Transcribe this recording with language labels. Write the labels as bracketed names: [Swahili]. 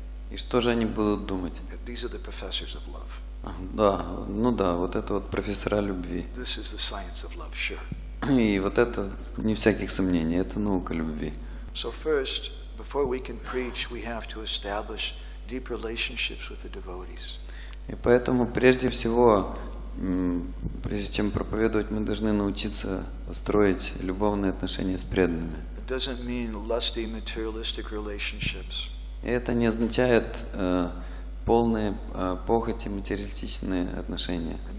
[Russian] И что же они будут думать? [English] These are the professors of love. [Russian] Да, ну да, вот это вот профессора любви. [English] This is the science of love, sure. [Russian] И вот это, не всяких сомнений, это наука любви. [English] So first, before we can preach, we have to establish deep relationships with the devotees. [Russian] И поэтому, прежде всего, прежде чем проповедовать, мы должны научиться строить любовные отношения с преданными. [English] It doesn't mean lusty, materialistic relationships. [Russian] И это не означает полные похоти, материалистичные отношения.